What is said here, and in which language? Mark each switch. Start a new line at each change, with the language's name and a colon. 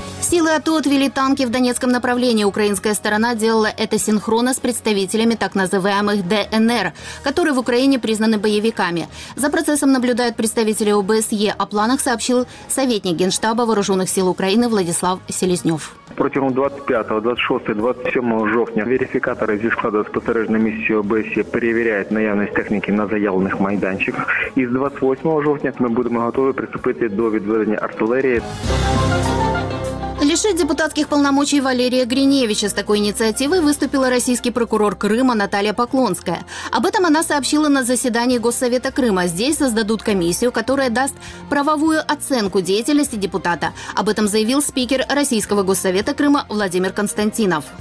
Russian: Силы АТО отвели танки в Донецком направлении. Украинская сторона делала это синхронно с представителями так называемых ДНР, которые в Украине признаны боевиками. За процессом наблюдают представители ОБСЕ. О планах сообщил советник Генштаба Вооруженных сил Украины Владислав Селезнев.
Ukrainian: Протягом 25, 26, 27 жовтня верификаторы зі складу спостережної місії ОБСЄ перевіряють наявність техніки на заявлених майданчиках. І з 28 жовтня ми будемо готові приступити до відведення артилерії.
Russian: Лишить депутатских полномочий Валерия Гриневича. С такой инициативой выступила российский прокурор Крыма Наталья Поклонская. Об этом она сообщила на заседании Госсовета Крыма. Здесь создадут комиссию, которая даст правовую оценку деятельности депутата. Об этом заявил спикер российского Госсовета Крыма Владимир Константинов.